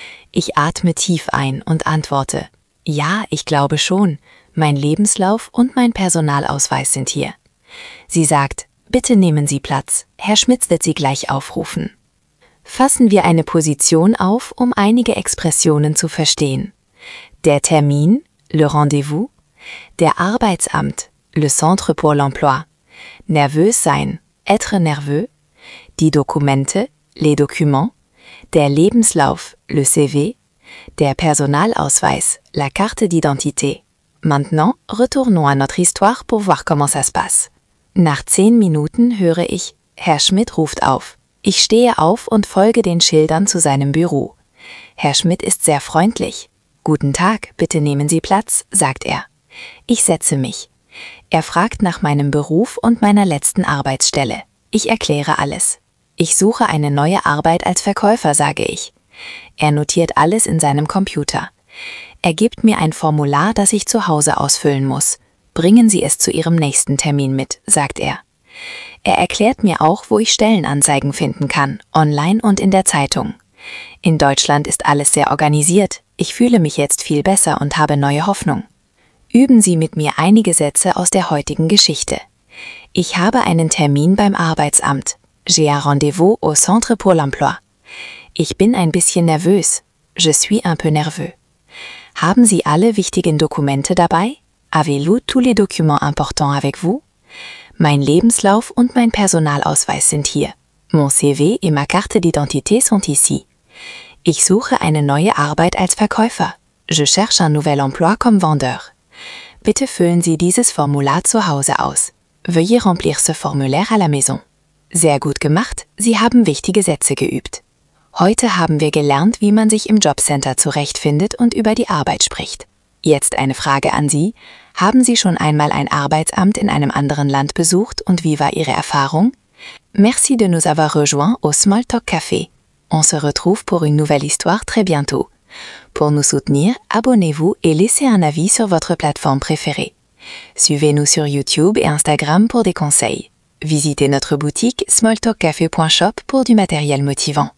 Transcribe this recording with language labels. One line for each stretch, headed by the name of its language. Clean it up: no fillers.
German: Ich atme tief ein und antworte, ja, ich glaube schon. Mein Lebenslauf und mein Personalausweis sind hier. Sie sagt, bitte nehmen Sie Platz. Herr Schmitz wird Sie gleich aufrufen. Fassen wir eine Position auf, um einige Expressionen zu verstehen. Der Termin,
French: le rendezvous.
German: Der Arbeitsamt,
French: le centre pour l'emploi.
German: Nervös sein,
French: être nerveux.
German: Die Dokumente,
French: les documents.
German: Der Lebenslauf,
French: le CV.
German: Der Personalausweis,
French: la carte d'identité. Maintenant, retournons à notre histoire pour voir comment ça se passe.
German: Nach 10 Minuten höre ich, Herr Schmidt ruft auf. Ich stehe auf und folge den Schildern zu seinem Büro. Herr Schmidt ist sehr freundlich. Guten Tag, bitte nehmen Sie Platz, sagt er. Ich setze mich. Er fragt nach meinem Beruf und meiner letzten Arbeitsstelle. Ich erkläre alles. Ich suche eine neue Arbeit als Verkäufer, sage ich. Er notiert alles in seinem Computer. Er gibt mir ein Formular, das ich zu Hause ausfüllen muss. Bringen Sie es zu Ihrem nächsten Termin mit, sagt er. Er erklärt mir auch, wo ich Stellenanzeigen finden kann, online und in der Zeitung. In Deutschland ist alles sehr organisiert. Ich fühle mich jetzt viel besser und habe neue Hoffnung. Üben Sie mit mir einige Sätze aus der heutigen Geschichte. Ich habe einen Termin beim Arbeitsamt.
French: J'ai un rendez-vous au centre pour l'emploi.
German: Ich bin ein bisschen nervös.
French: Je suis un peu nerveux.
German: Haben Sie alle wichtigen Dokumente dabei?
French: Avez-vous tous les documents importants avec vous?
German: Mein Lebenslauf und mein Personalausweis sind hier.
French: Mon CV et ma carte d'identité sont ici.
German: Ich suche eine neue Arbeit als Verkäufer.
French: Je cherche un nouvel emploi comme vendeur.
German: Bitte füllen Sie dieses Formular zu Hause aus.
French: Veuillez remplir ce formulaire à la maison.
German: Sehr gut gemacht, Sie haben wichtige Sätze geübt. Heute haben wir gelernt, wie man sich im Jobcenter zurechtfindet und über die Arbeit spricht. Jetzt eine Frage an Sie. Haben Sie schon einmal ein Arbeitsamt in einem anderen Land besucht und wie war Ihre Erfahrung?
French: Merci de nous avoir rejoints au Smalltalk Café. On se retrouve pour une nouvelle histoire très bientôt. Pour nous soutenir, abonnez-vous et laissez un avis sur votre plateforme préférée. Suivez-nous sur YouTube et Instagram pour des conseils. Visitez notre boutique smalltalkcafe.shop pour du matériel motivant.